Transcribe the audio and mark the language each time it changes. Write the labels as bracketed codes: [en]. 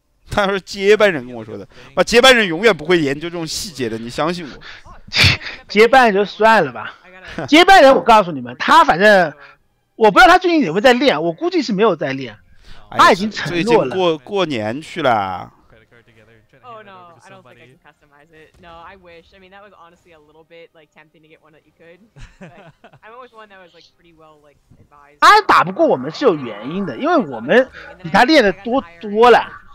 [zh] 他是接班人跟我说的，啊，接班人永远不会研究这种细节的，你相信我。接班人就算了吧。接班人我告诉你们，他反正我不知道他最近有没有在练，我估计是没有在练，哎，他已经承诺了。最近过年去了。 [en] Oh, no, I don't think I can customize it. No, I wish. I mean, that was honestly a little bit like tempting to get one that you could. But I'm always one that was like pretty well like advised. [zh] 他打不过我们是有原因的，因为我们比他练的多多了。